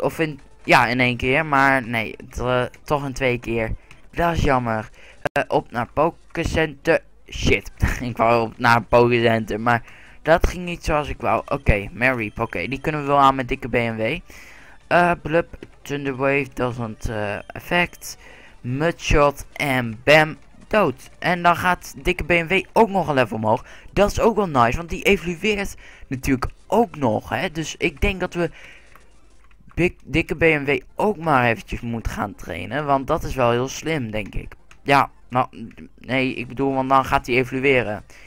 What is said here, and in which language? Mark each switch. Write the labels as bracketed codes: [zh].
[nl] Of in, ja, in één keer. Maar nee, toch in twee keer. Dat is jammer. Op naar Pokécenter. Shit. Ik wou op naar Pokécenter. Maar dat ging niet zoals ik wou. Oké, Marip. Oké, die kunnen we wel aan met dikke BMW. Blub. [en] Thunderwave doesn't affect. [nl] Mudshot. En bam. Dood. En dan gaat dikke BMW ook nog een level omhoog. Dat is ook wel nice. Want die evolueert natuurlijk ook nog. Hè? Dus ik denk dat we dikke BMW ook maar eventjes moeten gaan trainen. Want dat is wel heel slim, denk ik. Ja, nou, nee, ik bedoel, want dan gaat hij evolueren.